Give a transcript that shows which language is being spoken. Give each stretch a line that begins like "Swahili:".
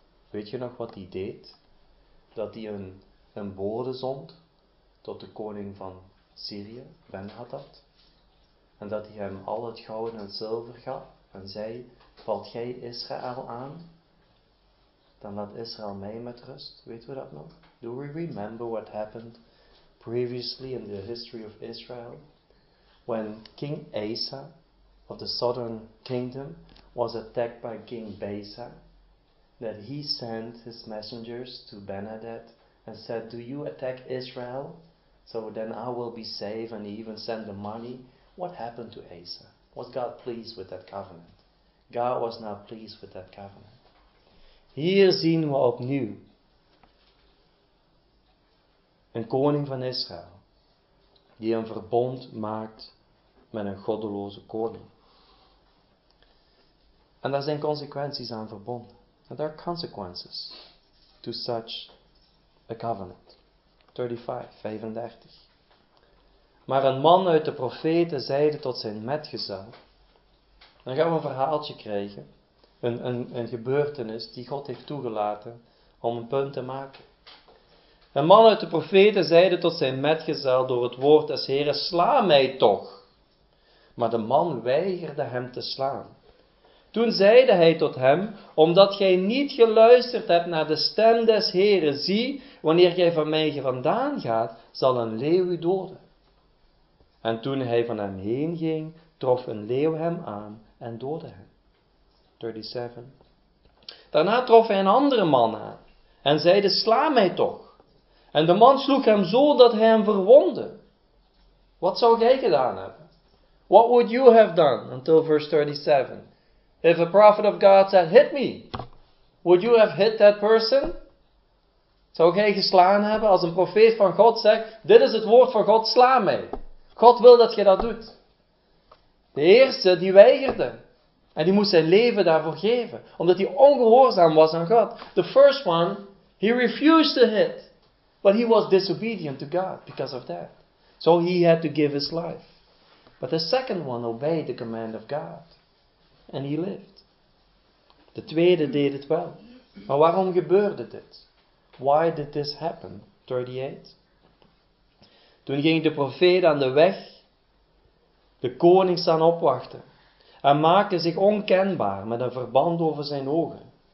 Dutch: Weet je nog wat hij deed? Dat hij een bode zond tot de koning van Syrië, Ben-Hadad. En dat hij hem al het goud en het zilver gaf. En zei, valt jij Israël aan? Dan laat Israël mij met rust. Weten we dat nog?
English: Do we remember what happened previously in the history of Israel? When King Asa of the southern kingdom was attacked by King Baasa, that he sent his messengers to Ben-Hadad and said, do you attack Israel? So then I will be safe and even send the money. What happened to Asa? Was God pleased with that covenant? God was not pleased with that covenant.
Dutch: Hier zien we opnieuw een koning van Israël die een verbond maakt met een goddeloze koning. En daar zijn consequenties aan verbonden.
English: And there are consequences to such a covenant.
Dutch: 35. Maar een man uit de profeten zeide tot zijn metgezel. Dan gaan we een verhaaltje krijgen. Een gebeurtenis die God heeft toegelaten om een punt te maken. Een man uit de profeten zeide tot zijn metgezel door het woord des Heren, sla mij toch. Maar de man weigerde hem te slaan. Toen zeide hij tot hem, omdat gij niet geluisterd hebt naar de stem des Heren, zie, wanneer gij van mij vandaan gaat, zal een leeuw u doden. En toen hij van hem heen ging, trof een leeuw hem aan en doodde hem. 37. Daarna trof hij een andere man aan en zeide, sla mij toch. En de man sloeg hem zo dat hij hem verwondde. Wat zou jij gedaan hebben?
English: What would you have done until verse 37? If a prophet of God said, hit me, would you have hit that person?
Dutch: Zou jij geslaan hebben als een profeet van God zegt, dit is het woord van God, sla mij. God wil dat je dat doet. De eerste, die weigerde. En die moest zijn leven daarvoor geven. Omdat hij ongehoorzaam was aan God.
English: The first one, he refused to hit. But he was disobedient to God because of that. So he had to give his life. But the second one obeyed the command of God.
Dutch: En hij leeft. De tweede deed het wel. Maar waarom gebeurde dit?
English: Why did this happen?
Dutch: 38. Toen ging de profeet aan de weg. De koning staan opwachten. En maakte zich onkenbaar met een verband over zijn ogen.